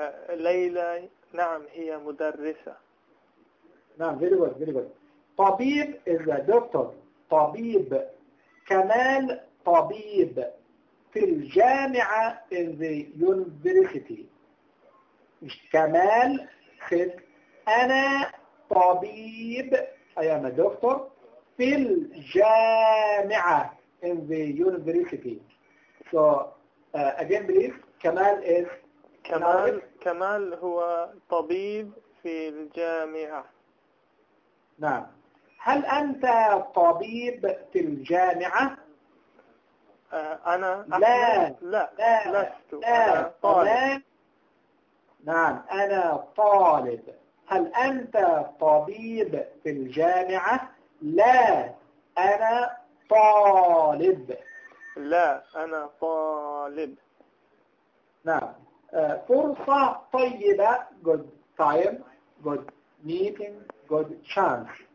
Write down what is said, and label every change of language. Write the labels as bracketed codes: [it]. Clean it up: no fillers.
[ar] ليلى نعم هي مدرسة. نعم. [en] Very good. Very good. طبيب is a doctor. [ar] طبيب. كمال طبيب. في الجامعة [en] in the university. [ar] كمال [en] said [ar] أنا طبيب. [en] I am a doctor. [ar] في الجامعة [en] in the university. So again, believe Kamal is Kamal. [ar] Kamal هو طبيب في الجامعة. نعم. هل أنت طبيب في الجامعة؟ أنا لا لا لا لست. لا أنا طالب. نعم أنا طالب. هل أنت طبيب في الجامعة؟ لا أنا طالب. لا أنا طالب. نعم. فرصة طيبة [en] good time good meeting good chance.